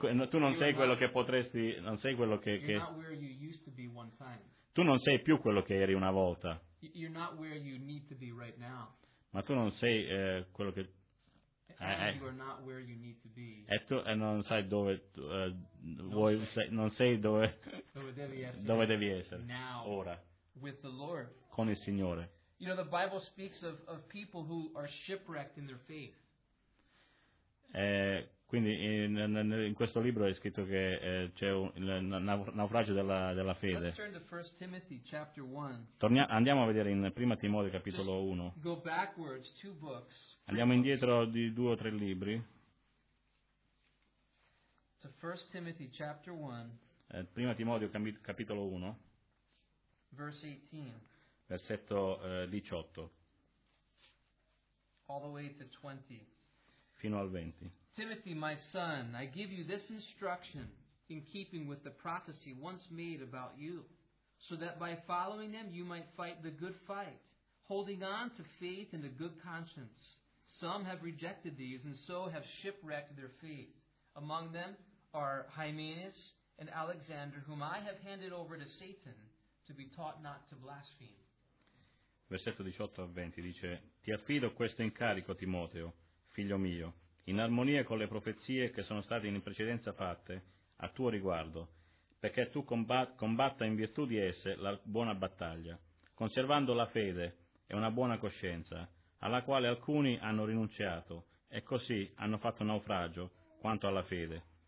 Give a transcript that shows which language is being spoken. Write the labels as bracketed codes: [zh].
[it] Tu non sei quello che potresti, non sei quello che. [en] You're not where you used to be one time. [it] Tu non sei più quello che eri una volta. [en] You're not where you need to be right now. [it] Ma tu non sei quello che non sai dove dove devi essere [en] now, [it] ora [en] with the Lord. [it] Con il Signore. [en] You know, the Bible speaks of people who are shipwrecked in their faith. [it] Quindi in questo libro è scritto che c'è il naufragio della fede. [en] Let's turn to 1 Timothy chapter 1. [it] Andiamo a vedere in 1 Timoteo capitolo 1. [en] Go backwards, two books, [it] andiamo [en] books. [it] Indietro di due o tre libri. [en] To 1 Timothy chapter 1. [it] 1 Timoteo capitolo 1. [en] Verse 18. [it] Versetto 18. [en] All the way to 20. [it] Fino al 20. [en] Timothy, my son, I give you this instruction in keeping with the prophecy once made about you, so that by following them you might fight the good fight, holding on to faith and a good conscience. Some have rejected these and so have shipwrecked their faith. Among them are Hymenaeus and Alexander, whom I have handed over to Satan to be taught not to blaspheme. [it] Versetto 18 a 20 dice: ti affido questo incarico, Timoteo, figlio mio, in armonia con le profezie che sono state in precedenza fatte a tuo riguardo, perché tu combatta in virtù di esse la buona battaglia, conservando la fede e una buona coscienza, alla quale alcuni hanno rinunciato e così hanno fatto naufragio quanto alla fede.